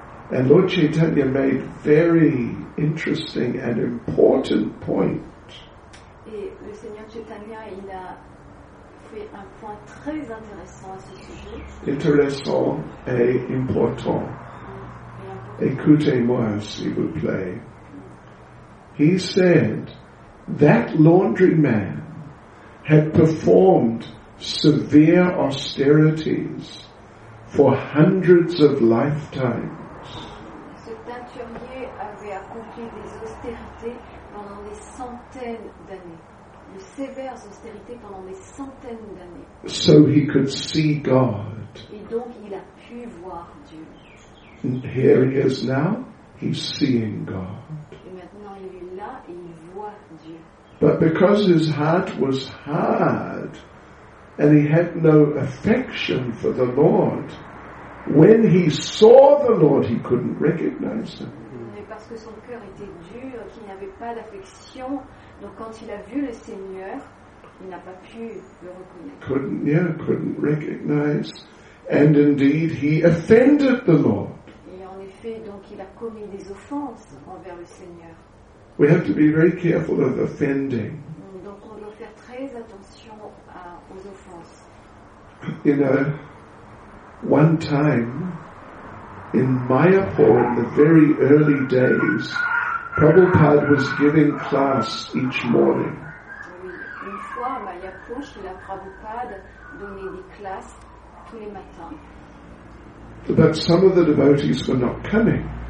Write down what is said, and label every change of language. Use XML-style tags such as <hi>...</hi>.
<en>And Lord Chaitanya made very interesting and important point.</en> <fr>Et le Seigneur Chaitanya, il a fait un point très intéressant à ce sujet. Intéressant et important. Écoutez-moi, s'il vous plaît.</fr> <en>He said that laundry man had performed severe austerities for hundreds of lifetimes.</en> <fr>Ce teinturier avait accompli des austérités pendant des centaines d'années. De sévères austérités pendant des centaines d'années.</fr> <en>So he could see God.</en> <fr>Et donc il a pu voir Dieu.</fr> <en>Here he is now, he's seeing God.</en> <fr>Et maintenant il est là et il voit Dieu.</fr> <en>But because his heart was hard and he had no affection for the Lord, when he saw the Lord, he couldn't recognize him.</en> <fr>Mais parce que son cœur était dur, qu'il n'avait pas d'affection, donc quand il a vu le Seigneur, il n'a pas pu le reconnaître.</fr> <en>Couldn't recognize. And indeed, he offended the Lord.</en> <fr>Et en effet, donc il a commis des offenses envers le Seigneur.</fr> <en>We have to be very careful of offending.</en> <fr>Donc on doit faire très attention aux offenses.</fr> <en>You know, one time in Mayapur in the very early days, Prabhupada was giving class each morning.</en> <fr>Une fois à Mayapur, Prabhupada donnait des classes tous les matins.</fr> <en>But some of the devotees were not coming.</en>